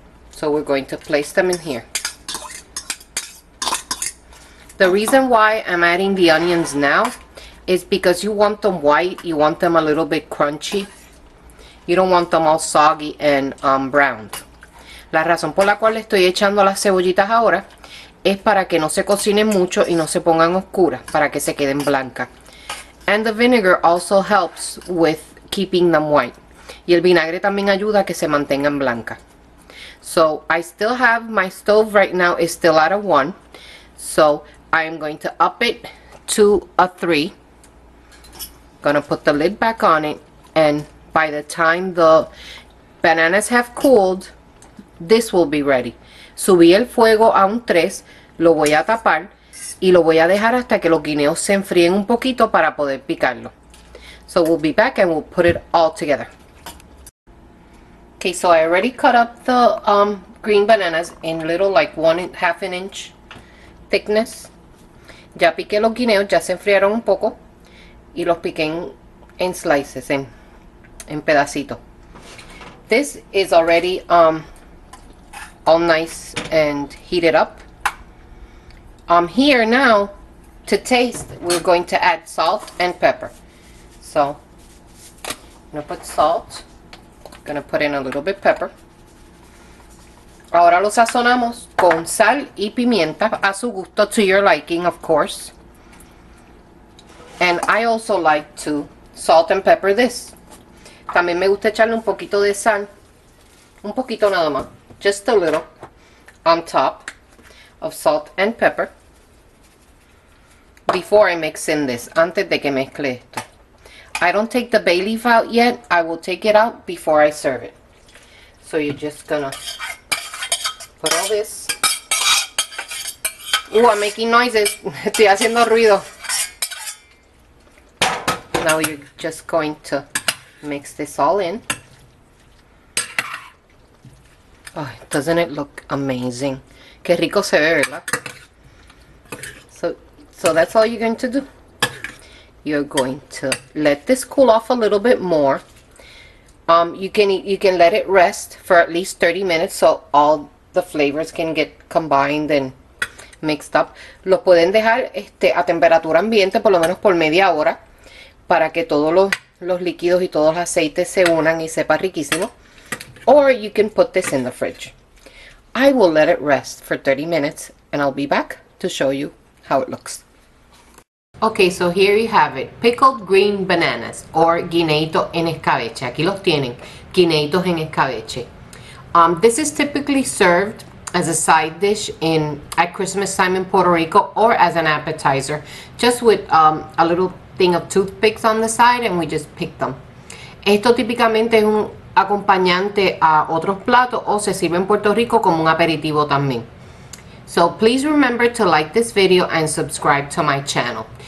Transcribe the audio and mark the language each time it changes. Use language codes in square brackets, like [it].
[en] So we're going to place them in here. The reason why I'm adding the onions now is because you want them white, you want them a little bit crunchy. You don't want them all soggy and browned. [es] La razón por la cual le estoy echando las cebollitas ahora es para que no se cocinen mucho y no se pongan oscuras, para que se queden blancas. [en] And the vinegar also helps with keeping them white. [es] Y el vinagre también ayuda a que se mantengan blancas. [en] So, I still have my stove right now is still at a 1. So, I am going to up it to a 3. Gonna put the lid back on it, and by the time the bananas have cooled, this will be ready. [es] Subí el fuego a un 3, lo voy a tapar y lo voy a dejar hasta que los guineos se enfríen un poquito para poder picarlo. [en] So we'll be back and we'll put it all together. Okay, so I already cut up the green bananas in little like 1.5 inch thickness. [es] Ya piqué los guineos, ya se enfriaron un poco. Y los piqué en slices, en pedacitos. [en] This is already all nice and heated up. Here now, to taste, we're going to add salt and pepper. So, I'm going to put salt. I'm going to put in a little bit of pepper. [es] Ahora los sazonamos con sal y pimienta a su gusto, [en] to your liking, of course. And I also like to salt and pepper this. [es] También me gusta echarle un poquito de sal. Un poquito nada más. [en] Just a little. On top of salt and pepper. Before I mix in this. [es] Antes de que mezcle esto. [en] I don't take the bay leaf out yet. I will take it out before I serve it. So you're just gonna put all this. Ooh, I'm making noises. [es] Estoy haciendo ruido. [en] Now you're just going to mix this all in. Oh, doesn't it look amazing? [es] Qué rico se ve, ¿verdad? [en] So that's all you're going to do. You're going to let this cool off a little bit more. You can let it rest for at least 30 minutes so all the the flavors can get combined and mixed up. [es] Los pueden dejar a temperatura ambiente por lo menos por media hora para que todos los líquidos y todos los aceites se unan y sepa riquísimo. [en] Or you can put this in the fridge. I will let it rest for 30 minutes and I'll be back to show you how it looks. Okay, so here you have it. Pickled green bananas or guineitos en escabeche. [es] Aquí los tienen, guineitos en escabeche. [en] This is typically served as a side dish at Christmas time in Puerto Rico or as an appetizer, just with a little thing of toothpicks on the side and we just pick them. [es] Esto típicamente es un acompañante a otros platos o se sirve en Puerto Rico como un aperitivo también. [en] So please remember to like this video and subscribe to my channel.